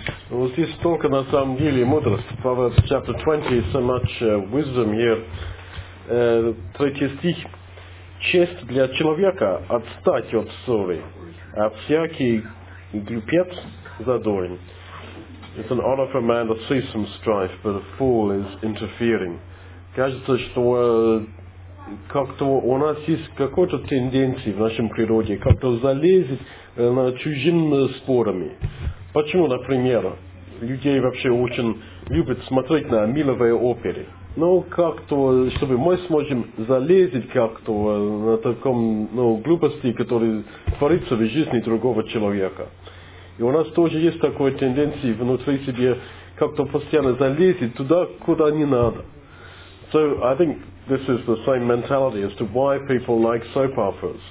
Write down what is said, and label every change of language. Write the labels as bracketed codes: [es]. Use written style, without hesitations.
[ru] Вот здесь только на самом деле мудрость. [en] Proverbs chapter 20 is so much wisdom here. [ru] Третий стих. Честь для человека отстать от ссоры, а всякий глупец задорен. [en] It's an honor for a man to cease from strife, but a fool is interfering. [ru] Кажется, что как-то у нас есть какая-то тенденция в нашем природе как-то залезть на чужими спорами. Почему, например, людей вообще очень любят смотреть на миловые оперы? Ну, как-то, чтобы мы сможем залезть как-то на таком, ну, глупости, которая творится в жизни другого человека. И у нас тоже есть такая тенденция внутри себя как-то постоянно залезть туда, куда не надо. [en] So, I think this is the same mentality as to why people like soap operas.